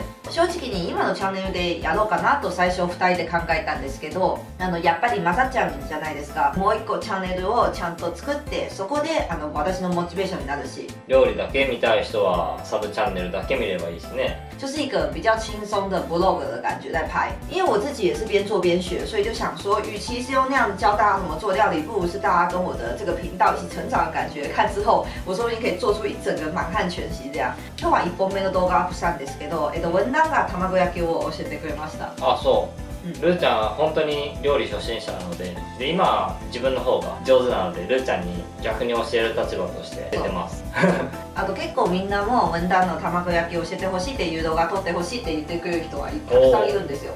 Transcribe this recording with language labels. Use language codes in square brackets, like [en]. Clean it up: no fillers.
[ja] 正直に今のチャンネルでやろうかなと最初2人で考えたんですけど、やっぱり混ざっちゃうんじゃないですか。もう一個チャンネルをちゃんと作って、そこで私のモチベーションになるし、料理だけ見たい人はサブチャンネルだけ見ればいいですね。 [zh] 就是一个比较轻松的 vlog 的感觉在拍，因为我自己也是边做边学，所以就想说，与其是用那样教大家怎么做料理，不如是大家跟我的这个频道一起成长的感觉，看之后我说不定可以做出一整个满汉全席这样。 [ja] 今日は一本目の動画アップしたんですけど、文旦が卵焼きを教えてくれました。あ、そう。ルーちゃんは本当に料理初心者なの で今は自分の方が上手なので、ルーちゃんに逆に教える立場として出てます。あと結構みんなも文旦の卵焼き教えてほしいっていう動画撮ってほしいって言ってくれる人はたくさんいるんですよ。